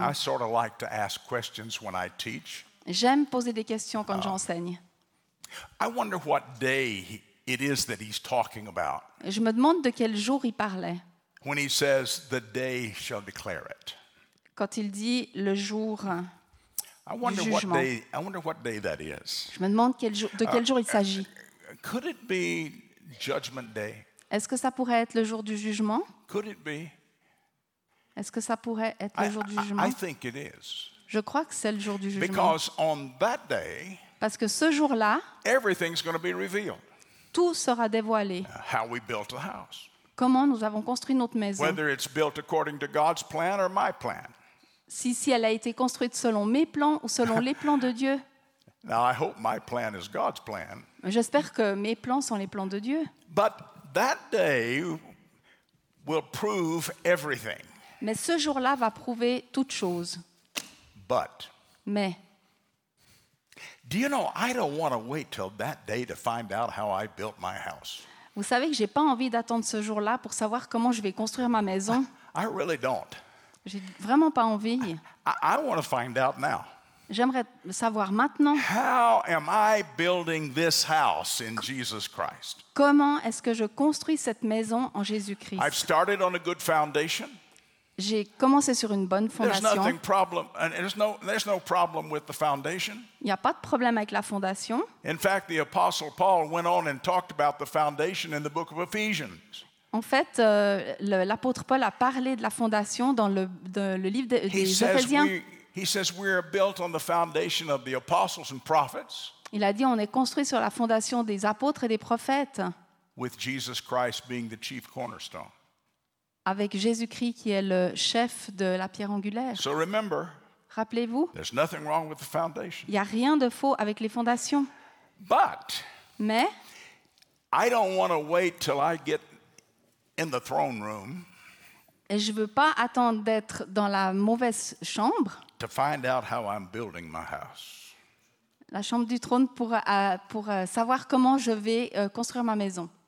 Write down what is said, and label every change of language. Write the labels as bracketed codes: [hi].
[en] I sort of like to ask questions when I teach. [fr] J'aime poser des questions quand j'enseigne. [en] I wonder what day it is that he's talking about. [fr] Je me demande de quel jour il parlait. [en] When he says the day shall declare it. [fr] Quand il dit le jour [en] I wonder [fr] du [en] what day. I wonder what day that is. [fr] Je me demande quel jour, de quel jour il s'agit. [en] Could it be Judgment Day? [fr] Est-ce que ça pourrait être le jour du jugement? [en] Could it be? [fr] Est-ce que ça pourrait être le jour du jugement? [en] I think it is. [fr] Je crois que c'est le jour du jugement. [en] Because on that day, [fr] parce que ce jour-là, [en] everything's going to be revealed. [fr] Tout sera dévoilé. [en] How we built the house. [fr] Comment nous avons construit notre maison? [en] Whether it's built according to God's plan or my plan. [fr] Si elle a été construite selon mes plans ou selon les plans de Dieu. [en] Now I hope my plan is God's plan. [fr] J'espère que mes plans sont les plans de Dieu. [en] But that day will prove everything. [fr] Mais ce jour-là va prouver toute chose. [en] But. [fr] Mais. [en] Do you know I don't want to wait till that day to find out how I built my house. [fr] Vous savez que j'ai pas envie d'attendre ce jour-là pour savoir comment je vais construire ma maison. [en] I really don't. [fr] J'ai vraiment pas envie. [en] I want to find out now. [fr] J'aimerais savoir maintenant. [en] How am I building this house in Jesus Christ? [fr] Comment est-ce que je construis cette maison en Jésus-Christ? [en] I've started on a good foundation. [fr] J'ai commencé sur une bonne fondation. [en] There's nothing problem, and there's no problem with the foundation. [fr] Il n'y a pas de problème avec la fondation. [en] In fact, the apostle Paul went on and talked about the foundation in the book of Ephesians. [fr] En fait, l'apôtre Paul a parlé de la fondation dans le livre des Éphésiens. [en] He says we are built on the foundation of the apostles and prophets. [fr] Il a dit on est construit sur la fondation des apôtres et des prophètes. [en] With Jesus Christ being the chief cornerstone. [fr] Avec Jésus-Christ qui est le chef de la pierre angulaire. [en] So remember. [fr] Rappelez-vous. [en] There's nothing wrong with the foundation. [fr] Il y a rien de faux avec les fondations. [en] But. [fr] Mais. [en] I don't want to wait till I get in the throne room. [fr] Et je veux pas attendre d'être dans la mauvaise chambre. [en] To find out how I'm building my house. [fr] La chambre du trône pour savoir comment je vais construire ma maison.